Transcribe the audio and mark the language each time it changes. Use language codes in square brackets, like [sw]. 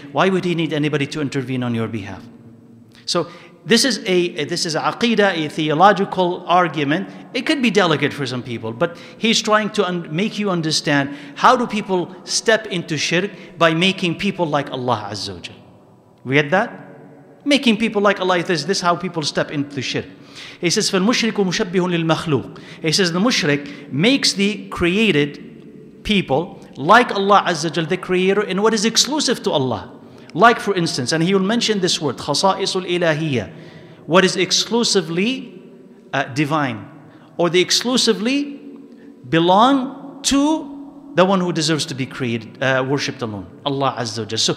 [en] Why would he need anybody to intervene on your behalf? So this is a aqidah, a theological argument. It could be delicate for some people, but he's trying to make you understand, how do people step into shirk? By making people like Allah Azza wa Jal. We get that? Making people like Allah, this is how people step into shirk. He says, [ar] فَالْمُشْرِكُ مُشَبِّهٌ لِلْمَخْلُوقِ. [en] He says, the mushrik makes the created people like Allah Azza wa Jal, the creator, in what is exclusive to Allah. Like, for instance, and he will mention this word, [ar] خَصَائِصُ الْإِلَهِيَّ, [en] what is exclusively divine, or the exclusively belong to the one who deserves to be created, worshipped alone, Allah Azza wa Jal.